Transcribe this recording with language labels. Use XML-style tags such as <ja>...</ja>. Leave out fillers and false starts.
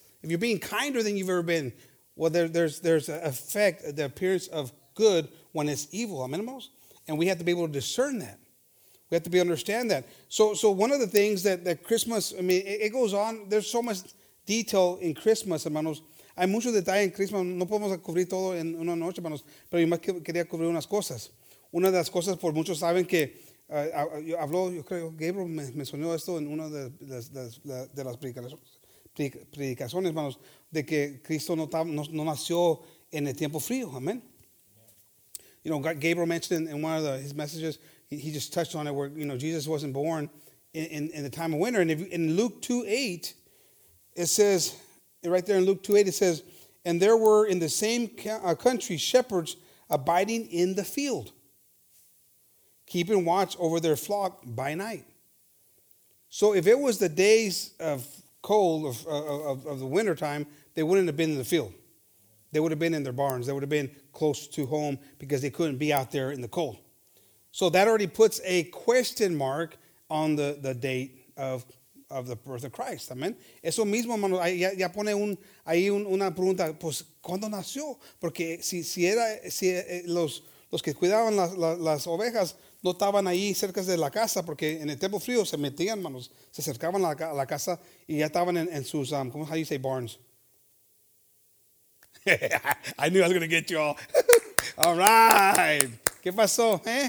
<en>If you're being kinder than you've ever been, well, there's an effect, the appearance of good when it's evil. Amen, hermanos? And we have to be able to discern that. We have to be understand that. So one of the things that Christmas, I mean, it goes on. There's so much detail in Christmas, hermanos.</en> <es>Hay mucho detalle en Christmas. No podemos cubrir todo en una noche, hermanos. Pero yo más quería cubrir unas cosas. Una de las cosas, por muchos saben que habló, yo creo, Gabriel me soñó esto en una de las predicaciones. Predicaciones, hermanos, de que Cristo no nació en el tiempo frío, amén.</es> <en>You know, Gabriel mentioned in one of his messages, he just touched on it, where, you know, Jesus wasn't born in the time of winter. And in Luke 2:8, it says, right there in Luke 2:8, it says, and there were in the same country shepherds abiding in the field, keeping watch over their flock by night. So if it was the days of cold of the winter time, they wouldn't have been in the field. They would have been in their barns. They would have been close to home because they couldn't be out there in the cold. So that already puts a question mark on the date of the birth of Christ. Amen.</en> <es>Eso mismo, hermano, ya pone una pregunta, pues, ¿cuándo nació? Porque si los que cuidaban las ovejas no estaban ahí cerca de la casa, porque en el tiempo frío se metían, hermanos, se acercaban a la casa y ya estaban en sus, ¿cómo se dice?</es> <en>Barns. I knew I was going to get you all. All right.</en> <es>¿Qué pasó?</es>